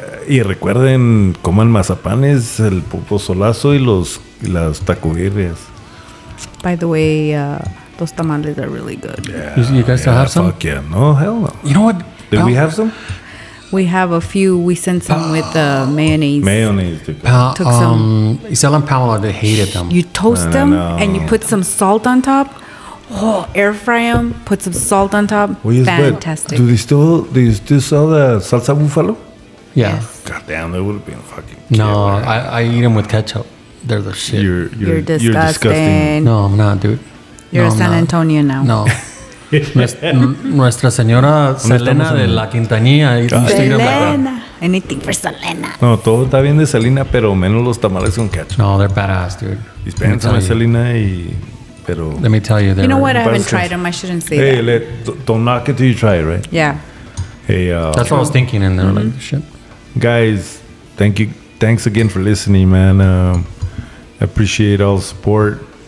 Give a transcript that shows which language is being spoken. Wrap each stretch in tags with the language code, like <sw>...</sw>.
<es>Y recuerden, coman mazapanes, el pozolazo y las tacoguerrias.</es> <en>By the way, those tamales are really good. Yeah, you guys still have some? Fuck yeah. No, hell no. You know what? Did we have some? We have a few. We sent some with the mayonnaise. Mayonnaise. Took some. Isela and Pamela, they hated them. You toast them and you put some salt on top. Oh, air fry them. Put some salt on top. Well, yes, fantastic. Do they still sell the salsa buffalo? Yeah. God damn, that would have been fucking. No, I eat them with ketchup. They're the shit. You're disgusting. You're disgusting. No, I'm not, dude. You're San Antonio now.</en> <es>No. Nuestra señora Selena de la Quintanilla.</es> <en>Selena. Anything for Selena.</en> <es>No, todo está bien de Selena, pero menos los tamales con ketchup.</es> <en>No, they're badass, dude.</en> <es>Dispénsame, Selena, y... Pero</es> <en>let me tell you. You know what? I haven't tried them. I shouldn't say that. Hey, don't knock it till you try it, right? Yeah. Hey, that's what I was thinking in there. Mm-hmm. Like, shit. Guys, thank you. Thanks again for listening, man. Appreciate all the support.</en>